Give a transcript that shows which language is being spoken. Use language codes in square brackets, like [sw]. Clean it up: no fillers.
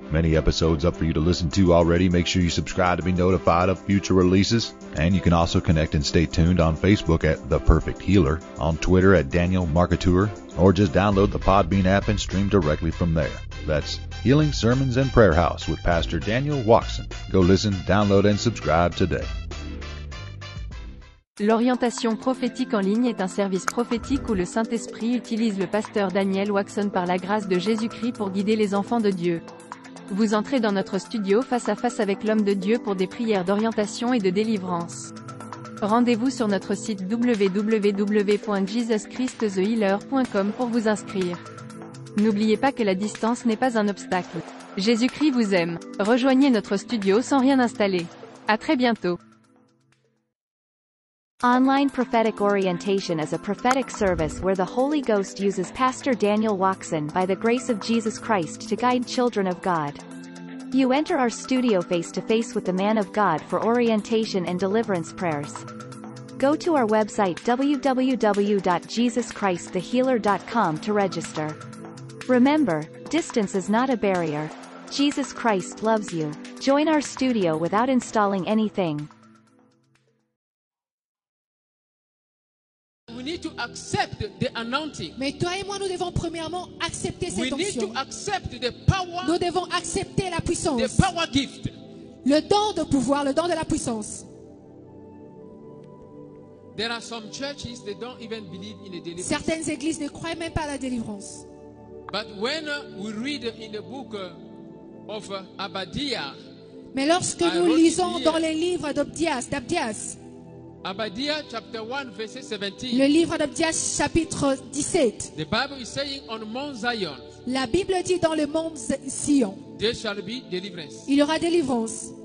[en] Many episodes up for you to listen to already. Make sure you subscribe to be notified of future releases. And you can also connect and stay tuned on Facebook at The Perfect Healer, on Twitter at Daniel Marketeur, or just download the Podbean app and stream directly from there. That's Healing Sermons and Prayer House with Pastor Daniel Watson. Go listen, download, and subscribe today. [fr] L'orientation prophétique en ligne est un service prophétique où le Saint-Esprit utilise le pasteur Daniel Watson par la grâce de Jésus-Christ pour guider les enfants de Dieu. Vous entrez dans notre studio face à face avec l'homme de Dieu pour des prières d'orientation et de délivrance. Rendez-vous sur notre site www.jesuschristthehealer.com pour vous inscrire. N'oubliez pas que la distance n'est pas un obstacle. Jésus-Christ vous aime. Rejoignez notre studio sans rien installer. À très bientôt. [en] Online Prophetic Orientation is a prophetic service where the Holy Ghost uses Pastor Daniel Waxon by the grace of Jesus Christ to guide children of God. You enter our studio face-to-face with the man of God for orientation and deliverance prayers. Go to our website www.jesuschristthehealer.com to register. Remember, distance is not a barrier. Jesus Christ loves you. Join our studio without installing anything. We need to accept the anointing. [fr] Mais toi et moi, nous devons premièrement accepter cette onction. [en] We need to accept the power. [fr] Nous devons accepter la puissance. [en] The power gift. [fr] Le don de pouvoir, le don de la puissance. [en] There are some churches that don't even believe in the deliverance. [fr] Certaines églises ne croient même pas à la délivrance. [en] But when we read in the book of Abadiah, [fr] mais lorsque nous lisons dans les livres d'Abdias. [en] Abadiah chapter 1 verse 17. [fr] Le livre d'Abdias chapitre 17. [en] The Bible is saying on Mount Zion. [fr] La Bible dit dans le mont Sion. [en] There shall be deliverance. [fr] Il y aura délivrance.